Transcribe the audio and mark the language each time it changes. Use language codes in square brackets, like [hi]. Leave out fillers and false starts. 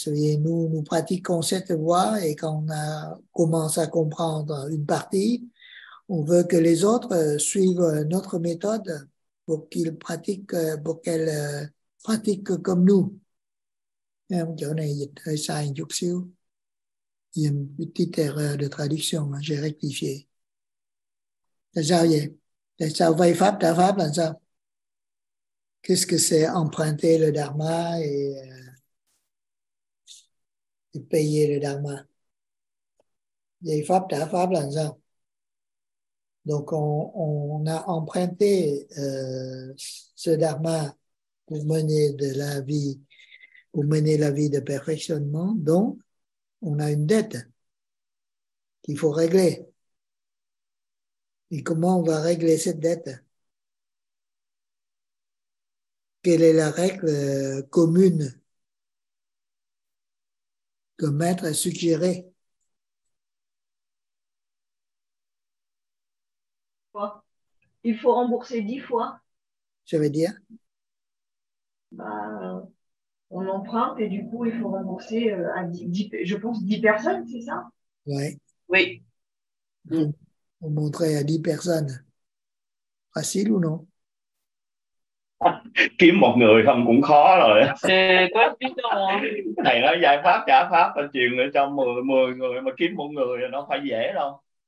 [fr] Et nous pratiquons cette voie et quand on commence à comprendre une partie, on veut que les autres suivent notre méthode pour qu'elles pratiquent comme nous. [vi] Chỗ này dịch hơi sai chút xíu. [fr] Il y a une petite erreur de traduction, hein, j'ai rectifié. [vi] Tại sao vậy? Tại sao vay pháp trả pháp là sao? [fr] Qu'est-ce que c'est emprunter le dharma et payer le dharma? [vi] Vay pháp trả pháp là sao? [fr] Donc on a emprunté ce dharma pour mener la vie de perfectionnement, donc on a une dette qu'il faut régler. Et comment on va régler cette dette? Quelle est la règle commune que Maître a suggéré? Il faut rembourser 10 fois. Ça veut dire? On emprunte et du coup, il faut rembourser à 10, je pense, 10 personnes, c'est ça? Ouais. Oui. On montrait à 10 personnes. Facile ou non? [vi] Kiếm một người không cũng khó rồi. Quá biết đâu rồi. Thầy nói giải pháp trả pháp và truyền lại cho 10 người mà kiếm một người nó phải dễ đâu.